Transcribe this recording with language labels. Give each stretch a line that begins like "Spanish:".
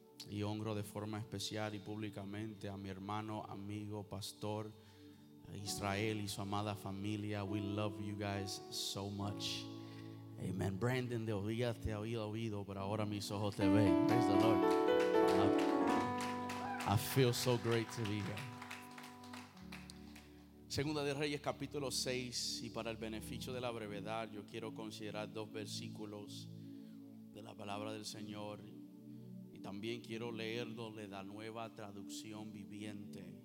Spanish: Y honro de forma especial y públicamente a mi hermano, amigo, pastor Israel y su amada familia.
English: We love you guys so much. Amen.
Spanish: Brandon, de oídas te había oído, pero ahora mis ojos te ven.
English: Praise the Lord. I feel so great to be here.
Spanish: Segunda de Reyes, capítulo 6. Y para el beneficio de la brevedad, yo quiero considerar dos versículos de la palabra del Señor. Y también quiero leerlo de la Nueva Traducción Viviente.